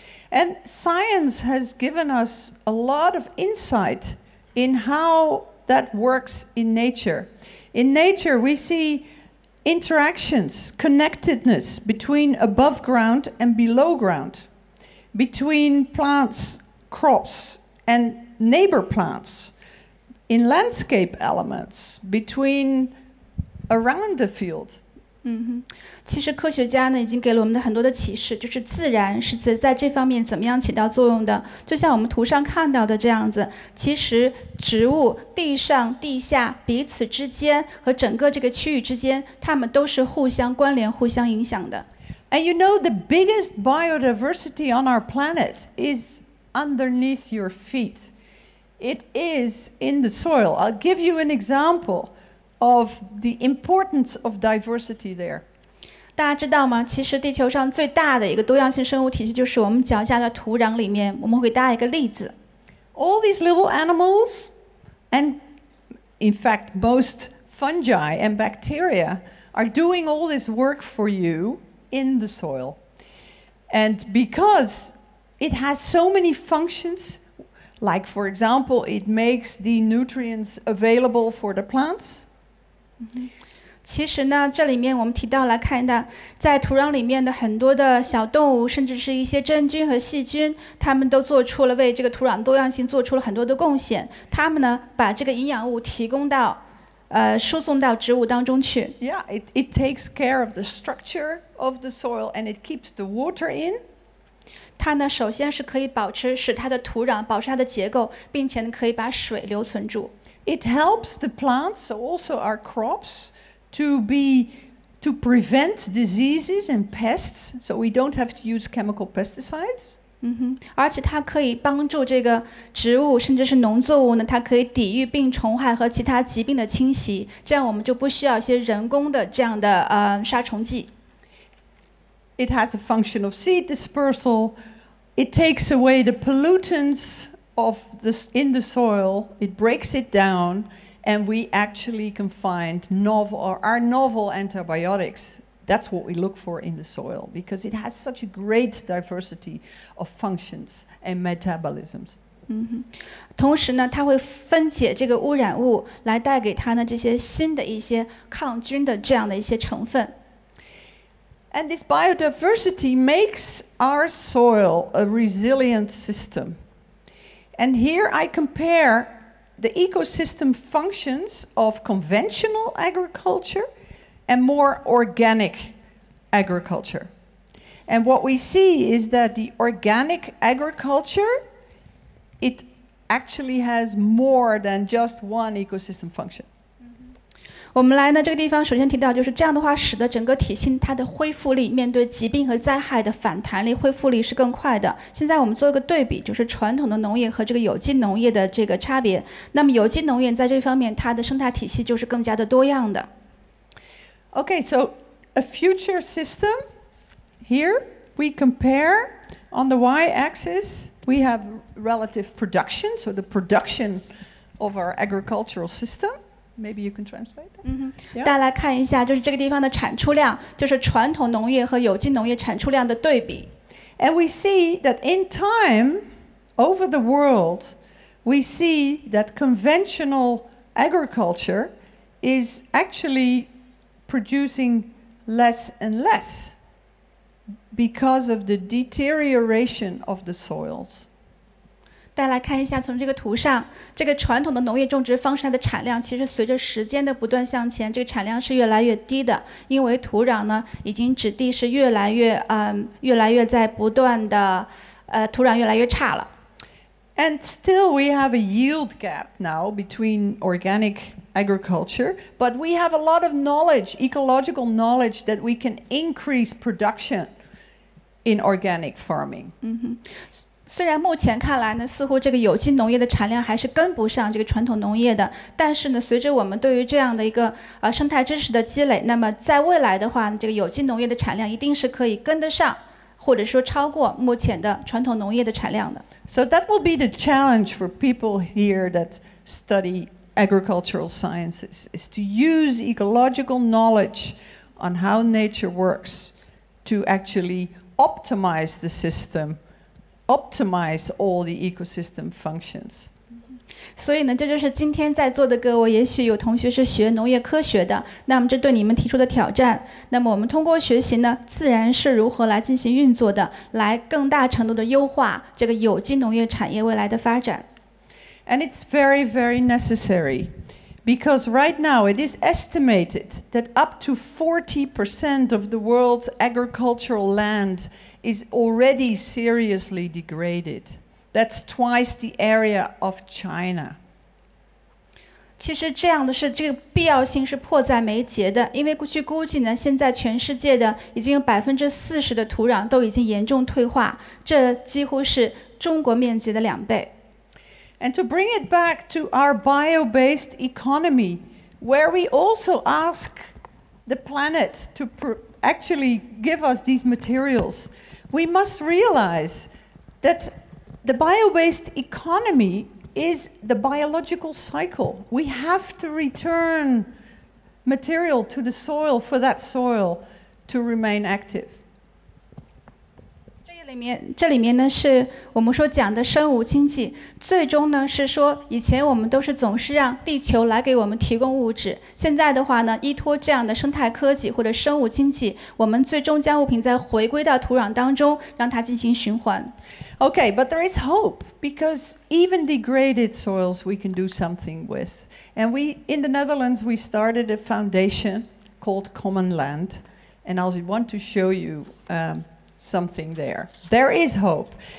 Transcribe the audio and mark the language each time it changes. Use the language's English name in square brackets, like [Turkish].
[English] And science has given us a lot of insight in how that works in nature. In nature, we see interactions, connectedness between above ground and below ground, between plants. Crops and neighbor plants in landscape elements between around the field. [Chinese] 其实科学家呢已经给了我们的很多的启示，就是自然是在这方面怎么样起到作用的。就像我们图上看到的这样子，其实植物、地上、地下彼此之间和整个这个区域之间，它们都是互相关联、互相影响的。 [English] And you know the biggest biodiversity on our planet is. Underneath your feet. It is in the soil. I'll give you an example of the importance of diversity there. [Chinese] 大家知道吗？其实地球上最大的一个多样性生物体系就是我们脚下的土壤里面。我们会给大家一个例子。 [English] All these little animals, and in fact, most fungi and bacteria are doing all this work for you in the soil. And becauseIt has so many functions, like for example, it makes the nutrients available for the plants. [Chinese] 其实呢，这里面我们提到了看到，在土壤里面的很多的小动物，甚至是一些真菌和细菌，它们都做出了为这个土壤多样性做出了很多的贡献。它们呢，把这个营养物提供到，输送到植物当中去。 [English] Yeah, it takes care of the structure of the soil and it keeps the water in. [Chinese] 它呢，首先是可以保持使它的土壤保持它的结构，并且可以把水留存住。 [English] It helps the plants, so also our crops, to prevent diseases and pests, so we don't have to use chemical pesticides. [Chinese] 而且它可以帮助这个植物，甚至是农作物呢，它可以抵御病虫害和其他疾病的侵袭，这样我们就不需要一些人工的这样的杀虫剂。 [English] It has a function of seed dispersal. It takes away the pollutants of this in the soil. It breaks it down, and we actually can find our novel antibiotics. That's what we look for in the soil because it has such a great diversity of functions and metabolisms. [Chinese] 同时呢，它会分解这个污染物，来带给它呢这些新的一些抗菌的这样的一些成分。 [English] And this biodiversity makes our soil a resilient system. And here I compare the ecosystem functions of conventional agriculture and more organic agriculture. And what we see is that the organic agriculture, it actually has more than just one ecosystem function. [Chinese] 我们来呢这个地方首先提到就是这样的话使得整个体系它的恢复力面对疾病和灾害的反弹力恢复力是更快的。现在我们做一个对比，就是传统的农业和这个有机农业的这个差别。那么有机农业在这方面它的生态体系就是更加的多样的。 [English] Okay, so a future system here we compare on the y-axis we have relative production, so the production of our agricultural systemMaybe you can translate that. [Chinese] 大家来看一下，就是这个地方的产出量，就是传统农业和有机农业产出量的对比。 [English] And we see that in time, over the world, we see that conventional agriculture is actually producing less and less. because of the deterioration of the soils. [Chinese] 大家来看一下，从这个图上，这个传统的农业种植方式的产量，其实随着时间的不断向前，这个产量是越来越低的，因为土壤呢已经质地是越来越越来越在不断的土壤越来越差了。 [English] And still we have a yield gap now between organic agriculture, but we have a lot of knowledge, ecological knowledge, that we can increase production in organic farming. [Chinese] 虽然目前看来呢，似乎这个有机农业的产量还是跟不上这个传统农业的，但是呢，随着我们对于这样的一个生态知识的积累，那么在未来的话，这个有机农业的产量一定是可以跟得上。或者说超过目前的传统农业的产量的。 [English] So that will be the challenge for people here that study agricultural sciences, is to use ecological knowledge on how nature works to actually optimize the system, optimize all the ecosystem functions. [Chinese] 所以呢，这就是今天在座的各位，也许有同学是学农业科学的，那么这对你们提出的挑战，那么我们通过学习呢，自然是如何来进行运作的，来更大程度的优化这个有机农业产业未来的发展。 [English] And it's very, very necessary, because right now it is estimated that up to 40% of the world's agricultural land is already seriously degraded. That's twice the area of China. [Chinese] 其实这样的是这个必要性是迫在眉睫的，因为据估计呢，现在全世界的已经有40%的土壤都已经严重退化，这几乎是中国面积的两倍。 [English] And to bring it back to our bio-based economy, where we also ask the planet to actually give us these materials, we must realize that. The bio-based economy is the biological cycle. We have to return material to the soil for that soil to remain active. [Chinese] 这里面呢，是我们说讲的生物经济。最终呢，是说以前我们都是总是让地球来给我们提供物质。现在的话呢，依托这样的生态科技或者生物经济，我们最终将物品再回归到土壤当中，让它进行循环。 [English] Okay, but there is hope because even degraded soils we can do something with. And we, in the Netherlands, we started a foundation called Common Land. And I want to show you something there. There is hope.